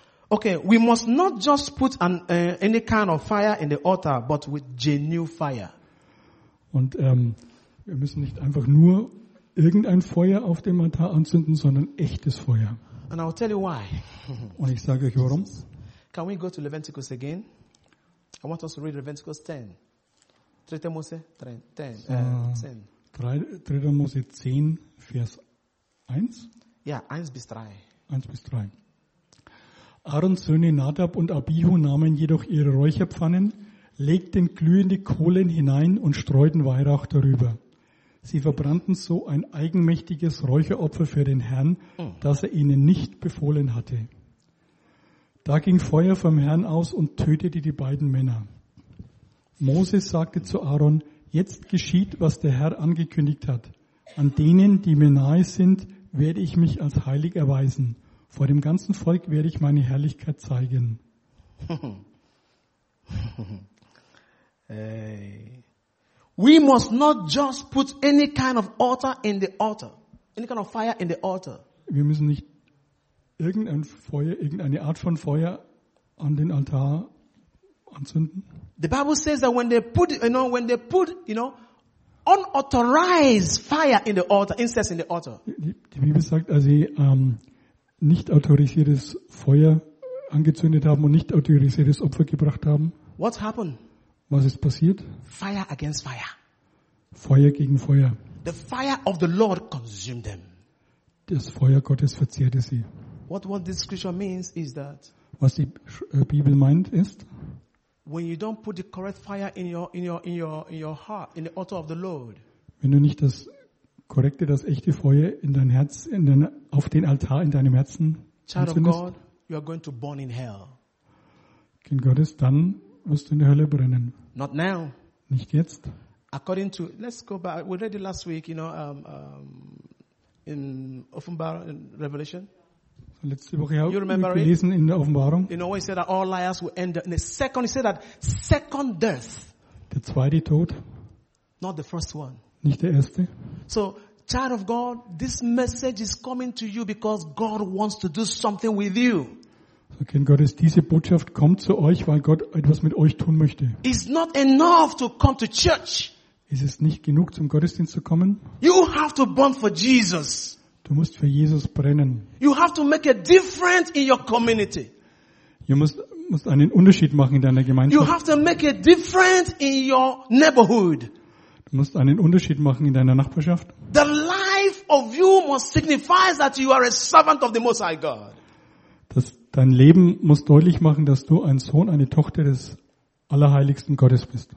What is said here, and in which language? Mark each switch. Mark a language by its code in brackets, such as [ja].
[en] Okay, we must not just put any kind of fire in the altar, but with genuine fire. [de] Und wir müssen nicht einfach nur irgendein Feuer auf dem Altar anzünden, sondern echtes Feuer. [en] And I'll tell you why. [de] Und ich sage euch warum. [en] Can we go to Leviticus again? I want us to read Leviticus 10. 3. [de] Mose 10. 3. Mose 10, Vers 1. Ja, 1 bis 3. 1 bis 3. Aarons Söhne Nadab und Abihu nahmen jedoch ihre Räucherpfannen, legten glühende Kohlen hinein und streuten Weihrauch darüber. Sie verbrannten so ein eigenmächtiges Räucheropfer für den Herrn, das er ihnen nicht befohlen hatte. Da ging Feuer vom Herrn aus und tötete die beiden Männer. Moses sagte zu Aaron: Jetzt geschieht, was der Herr angekündigt hat. An denen, die mir nahe sind, werde ich mich als heilig erweisen. Vor dem ganzen Volk werde ich meine Herrlichkeit zeigen. Hey. [en] We must not just put any kind of altar in the altar. Any kind of fire in the altar. [de] Wir müssen nicht irgendein Feuer, irgendeine Art von Feuer an den Altar anzünden. [en] The Bible says that when they put unauthorized fire in the altar, incense in the altar. [de] Die Bibel sagt, als sie nicht autorisiertes Feuer angezündet haben und nicht autorisiertes Opfer gebracht haben. [en] What happened? [de] Was ist passiert? [en] Fire against fire. [de] Feuer gegen Feuer. [en] The fire of the Lord consumed them. [de] Das Feuer Gottes verzehrte sie. [en] What this scripture means is that. [de] Was die Bibel meint ist. [en] When you don't put the correct fire in your heart, in the altar of the Lord. [de] Wenn du nicht das korrekte, das echte Feuer in dein Herz, auf den Altar in deinem Herzen anzündest. [en] Child of God, you are going to burn in hell. [de] Kind Gottes, dann wirst du in der Hölle brennen. [en] Not now. [de] Nicht jetzt. [en] According to, let's go back. We read it last week, in Offenbarung, in Revelation. [de] Letzte Woche gelesen in der Offenbarung. [en] You know, he said that all liars will end in the second. He said that second death. [de] Der zweite Tod. [en] Not the first one. [de] Nicht der erste. [en] So, child of God, this message is coming to you because God wants to do something with you. [de] So, Kind Gottes, diese Botschaft kommt zu euch, weil Gott etwas mit euch tun möchte. [en] It's not enough to come to church. [de] Ist es nicht genug, zum Gottesdienst zu kommen? [en] You have to burn for Jesus. [de] Du musst für Jesus brennen. [en] You have to make a difference in your community. [de] Du musst einen Unterschied machen in deiner Gemeinschaft. [en] You have to make a difference in your neighborhood. [de] Du musst einen Unterschied machen in deiner Nachbarschaft. [en] The life of you must signify that you are a servant of the Most High God. [de] Dein Leben muss deutlich machen, dass du ein Sohn, eine Tochter des Allerheiligsten Gottes bist.